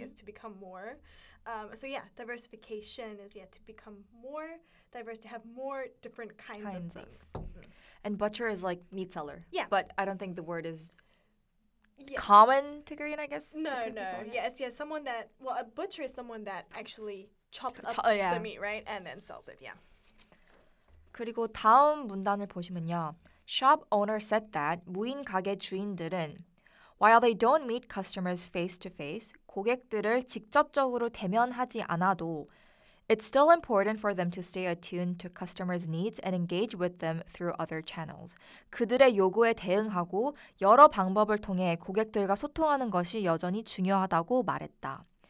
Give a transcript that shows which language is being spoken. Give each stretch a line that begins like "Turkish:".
English: guess, to become more. So yeah, diversification is yeah to become more diverse, to have more different kinds of things. And butcher is like meat seller. Yeah. But I don't think the word is yeah. common to Korean, I guess. No, no. People, yeah, it's yeah, someone that, well, a butcher is someone that actually chops up oh, yeah. the meat, right? And then sells it, yeah.
Korean: 그리고 다음 문단을 보시면요.
English: Shop owner said that
Korean: 무인 가게 주인들은
English: While they don't meet customers face-to-face,
Korean: 고객들을 직접적으로 대면하지 않아도
English: It's still important for them to stay attuned to customers' needs and engage with them through other channels.
Korean: 그들의 요구에 대응하고 여러 방법을 통해 고객들과 소통하는 것이 여전히 중요하다고 말했다.